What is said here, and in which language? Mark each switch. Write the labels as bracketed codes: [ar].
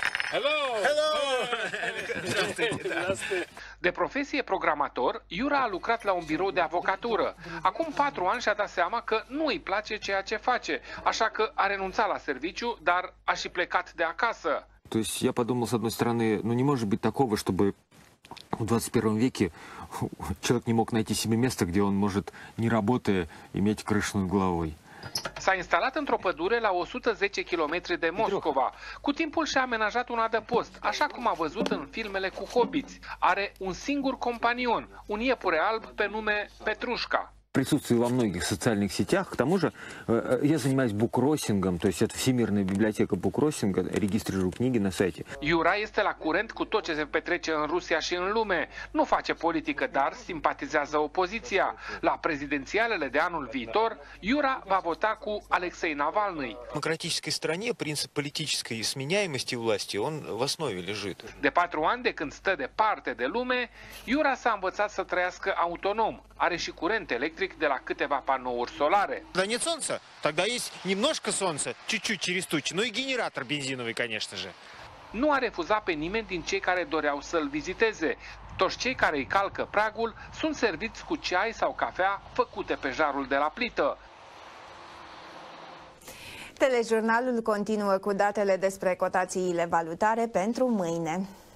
[en] Hello! Hello! [ro] De profesie programator, Iura a lucrat la un birou de avocatură. Acum 4 ani și-a dat seama că nu îi place ceea ce face, așa că a renunțat la serviciu, dar a și plecat de acasă. [ru] То есть я подумал, с одной стороны, ну не может быть такого, чтобы в 21 веке человек не мог найти себе место, где он может, не работая, иметь крышу над головой. [ro] S-a instalat într-o pădure la 110 km de Moscova. Cu timpul și-a amenajat un adăpost, așa cum a văzut în filmele cu hobiți. Are un singur companion, un iepure alb pe nume Petrușca. [ru] Присутствую во многих социальных сетях. К тому же я занимаюсь буккроссингом, то есть это всемирная библиотека буккроссинга, регистрирую книги на сайте. [ro] Iura este la curent cu tot ce se petrece în Rusia și în lume. Nu face politică, dar simpatizează opoziția. La prezidențialele de anul viitor, Iura va vota cu Alexei Navalny. [ru] В демократической стране принцип политической сменяемости власти, он в основе лежит. [ro] De 4 ani de când stă departe de lume, Iura s-a învățat să trăiască autonom. Are și curent electric de la câteva panouri solare. [ru] Да нет солнца, тогда есть немножко солнца, чуть-чуть через тучи, ну и генератор бензиновый, конечно же. [ro] Nu a refuzat pe nimeni din cei care doreau să-l viziteze. Toți cei care îi calcă pragul sunt serviți cu ceai sau cafea făcute pe jarul de la plită. Telejurnalul continuă cu datele despre cotațiile valutare pentru mâine.